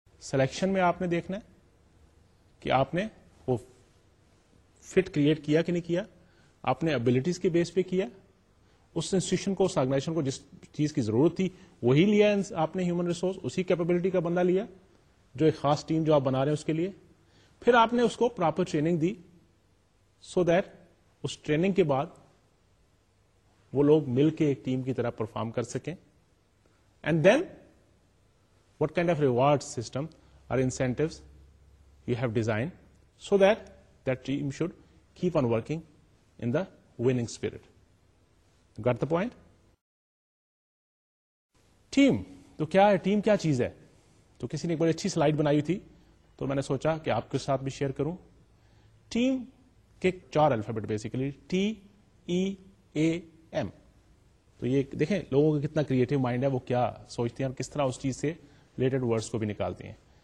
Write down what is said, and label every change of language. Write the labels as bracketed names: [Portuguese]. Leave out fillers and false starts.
[Urdu] Selection میں آپ نے دیکھنا ہے کہ آپ نے وہ فٹ کریٹ کیا کہ نہیں کیا, آپ نے ابلٹیز کے بیس پہ کیا, اس انسٹیٹیوشن کو اس آرگنائزیشن کو جس چیز کی ضرورت تھی وہی لیا آپ نے ہیومن ریسورس, اسی کیپبلٹی کا بندہ لیا جو ایک خاص ٹیم جو آپ بنا رہے ہیں اس کے لیے. پھر آپ نے اس کو proper training the so that اس training کے بعد وہ لوگ مل کے ایک ٹیم کی طرح پرفارم کر سکیں. [English] And then what kind of reward system or incentives you have designed so that that team should keep on working in the winning spirit. Got the point? Team. [Urdu] تو کیا ہے ٹیم, کیا چیز ہے؟ تو کسی نے ایک بڑی اچھی سلائڈ بنائی تھی تو میں نے سوچا کہ آپ کے ساتھ بھی شیئر کروں. ٹیم کے چار alphabet basically T E A M. تو یہ دیکھیں لوگوں کا کتنا کریٹو مائنڈ ہے, وہ کیا سوچتے ہیں اور کس طرح اس چیز سے ریلیٹڈ ورڈس کو بھی نکالتے ہیں.